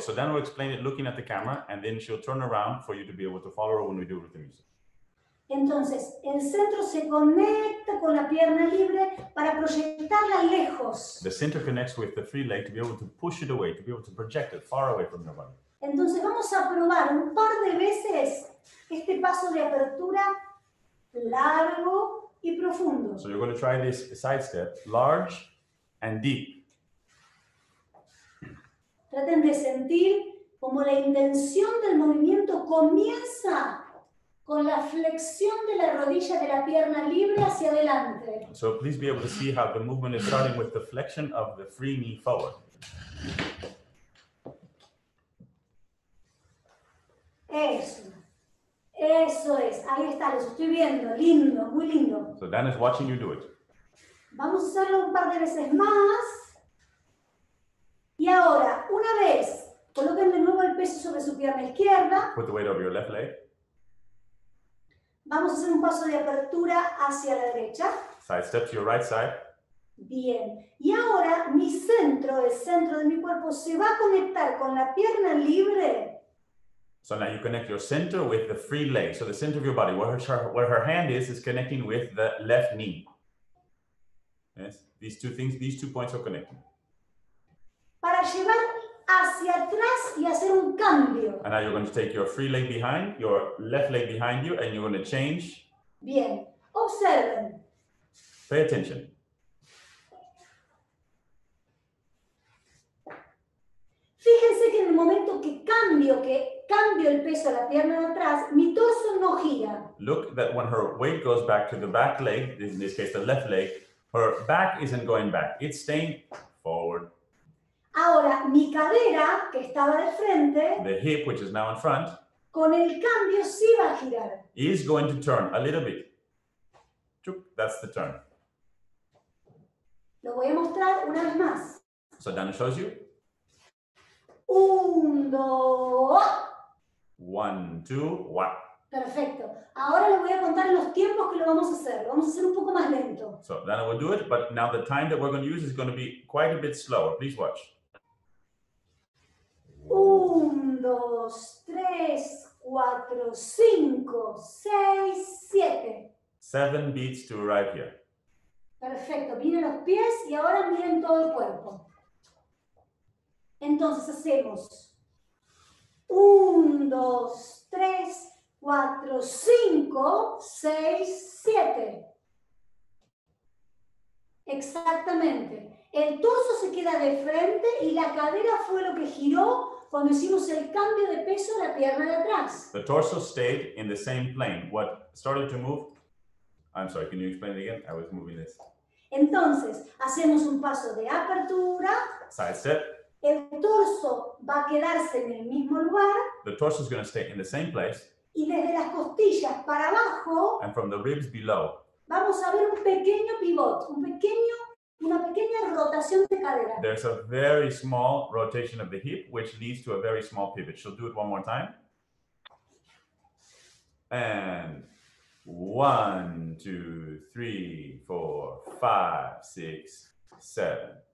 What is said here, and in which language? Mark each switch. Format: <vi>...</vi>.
<en>so Dana will explain it looking at the camera, and then she'll turn around for you to be able to follow her when we do it with the music.</en> <es>Entonces, el centro se conecta con la pierna libre para proyectarla lejos.</es> <en>The center connects with the free leg to be able to push it away, to be able to project it far away from your body.</en> <es>Entonces, vamos a probar un par de veces este paso de apertura largo y profundo.</es> <en>So you're going to try this sidestep, large and deep.</en> <es>Traten de sentir como la intención del movimiento comienza con la flexión de la rodilla de la pierna libre hacia adelante.</es> <en>So please be able to see how the movement is starting with the flexion of the free knee forward.</en> <es>Eso. Eso es. Ahí está, los estoy viendo. Lindo, muy lindo.</es> <en>So Dan is watching you do it.</en> <es>Vamos a hacerlo un par de veces más. Y ahora, una vez, coloquen de nuevo el peso sobre su pierna izquierda.</es> <en>Put the weight over your left leg.</en> <es>Vamos a hacer un paso de apertura hacia la derecha.</es> <en>Side step to your right side.</en> <es>Bien. Y ahora, mi centro, el centro de mi cuerpo, se va a conectar con la pierna libre.</es> <en>So now you connect your center with the free leg. So the center of your body, where her hand is connecting with the left knee. Yes, these two things, these two points are connecting.</en> <es>Para llevar hacia atrás y hacer un cambio.</es> <en>And now you're going to take your free leg behind, your left leg behind you, and you're going to change.</en> <es>Bien, observen.</es> <en>Pay attention.</en> <es>Fíjense que en el momento que cambio, el peso a la pierna de atrás, mi torso no gira.</es> <en>Look that when her weight goes back to the back leg, in this case the left leg, her back isn't going back. It's staying forward.</en> <es>Ahora, mi cadera, que estaba de frente,</es> <en>the hip, which is now in front,</en> <es>con el cambio sí va a girar.</es> <en>Is going to turn a little bit. That's the turn.</en> <es>Lo voy a mostrar una vez más.</es> <en>So Dana shows you.</en> <es>Un, dos.</es> <en>One, two, one.</en> <es>Perfecto. Ahora les voy a contar los tiempos que lo vamos a hacer. Lo vamos a hacer un poco más lento.</es> <en>So Dana will do it, but now the time that we're going to use is going to be quite a bit slower. Please watch.</en> <es>Un, dos, tres, cuatro, cinco, seis, siete.</es> <en>Seven beats to arrive here.</en> <es>Perfecto. Vienen los pies y ahora miren todo el cuerpo. Entonces hacemos. Un, dos, tres, cuatro, cinco, seis, siete. Exactamente. El torso se queda de frente y la cadera fue lo que giró cuando hicimos el cambio de peso a la pierna de atrás.</es> <en>The torso stayed in the same plane. What started to move? I'm sorry, can you explain it again? I was moving this.</en> <es>Entonces, hacemos un paso de apertura.</es> <en>Side step.</en> <es>El torso va a quedarse en el mismo lugar.</es> <en>The torso is going to stay in the same place.</en> <es>Y desde las costillas para abajo.</es> <en>And from the ribs below.</en> <es>Vamos a ver un pequeño pivot, una pequeña rotación de cadera.</es> <en>There's a very small rotation of the hip, which leads to a very small pivot. She'll do it one more time. And one, two, three, four, five, six, seven.</en>